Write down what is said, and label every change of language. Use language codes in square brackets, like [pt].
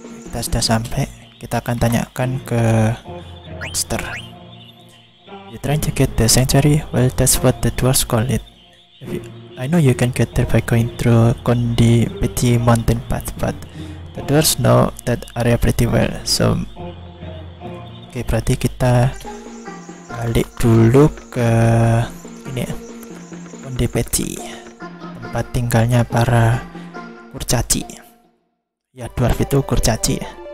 [id] Kita sudah sampai, kita akan tanyakan ke Baxter. [en] You're trying to get the sanctuary? Well, that's what the dwarves call it. If you, I know you can get there by going through Conde Petie mountain path, but the dwarves know that area pretty well, so... [id] Okay, berarti kita balik dulu ke ini ya, Conde Petie, tempat tinggalnya para kurcaci ya, dwarf itu kurcaci ya.